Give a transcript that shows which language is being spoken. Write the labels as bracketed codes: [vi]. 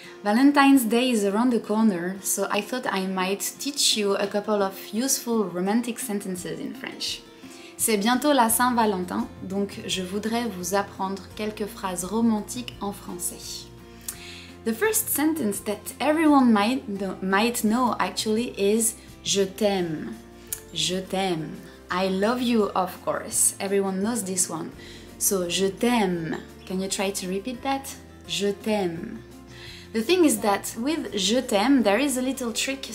[en] Valentine's Day is around the corner, so I thought I might teach you a couple of useful romantic sentences in French. [fr] C'est bientôt la Saint-Valentin, donc je voudrais vous apprendre quelques phrases romantiques en français. [en] The first sentence that everyone might know actually is [fr] je t'aime. Je t'aime. [en] I love you, of course. Everyone knows this one. So, [fr] je t'aime. [en] Can you try to repeat that? [fr] Je t'aime. [en] The thing is that with je t'aime, there is a little trick.